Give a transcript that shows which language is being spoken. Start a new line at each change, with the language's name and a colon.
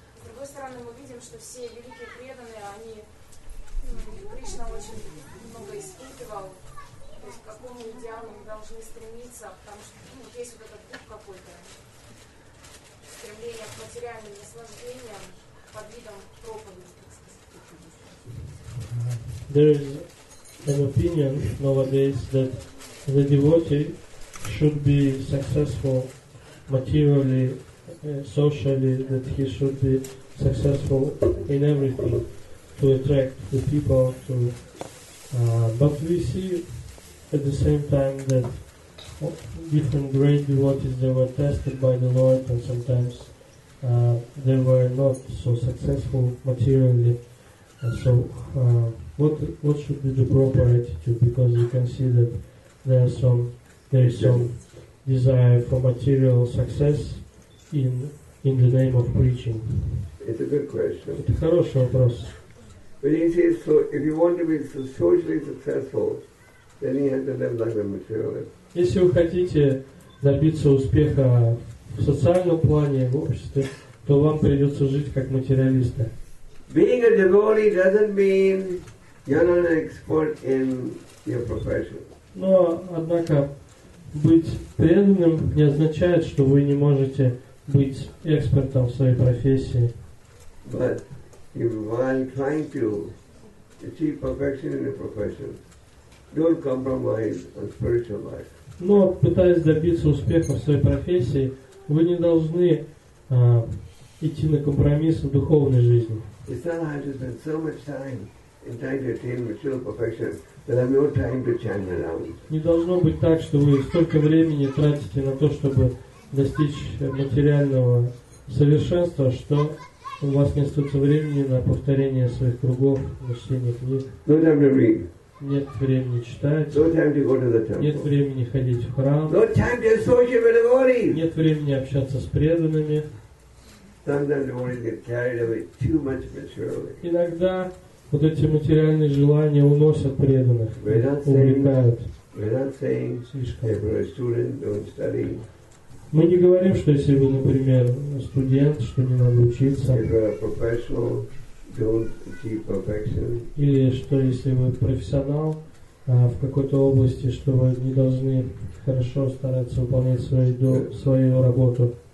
Russian: С другой стороны, мы видим, что все великие преданные, они, Кришна очень много испытывал, то есть к какому идеалу мы должны стремиться, потому что есть вот этот дух какой-то, стремление к материальным наслаждениям под видом проповеди, так сказать.
English: There is an opinion nowadays that the devotee should be successful materially, socially, that he should be successful in everything to attract the people to. But we see at the same time that different great devotees, they were tested by the Lord and sometimes they were not so successful materially. So what should be the proper attitude? Because you can see that there is some desire for material success in the name of preaching. It's a good question.
Russian: Это хороший вопрос.
English: But he says, so if you want to be socially successful, then you have to live like a materialist.
Russian: Если вы хотите добиться успеха в социальном плане, в обществе, то вам придется жить как материалиста.
English: Being a devotee doesn't mean you're not an expert in your profession.
Russian: Но, однако, быть преданным не означает, что вы не можете быть экспертом в своей профессии.
English: But if while trying to achieve perfection in your profession, don't compromise on spiritual life.
Russian: Но пытаясь добиться успеха в своей профессии, вы не должны идти на компромисс в духовной жизни.
English: It's not that I have spent so much time in trying to attain material perfection. There is no time to chant around.
Russian: Не должно быть так, что вы столько времени тратите на то, чтобы достичь материального совершенства, что у вас не остается времени на повторение своих кругов, чтение книг.
English: No time to read.
Russian: Нет времени читать.
English: No time to go to the temple.
Russian: Нет времени ходить в храм.
English: No time to associate with the devotees.
Russian: Нет времени общаться с преданными.
English: Sometimes the devotees get carried away too much materially.
Russian: Иногда вот эти материальные желания уносят преданных, увлекают. Мы не говорим, что если вы, например, студент, что не надо учиться. Или что если вы профессионал в какой-то области, что вы не должны хорошо стараться выполнять свою работу.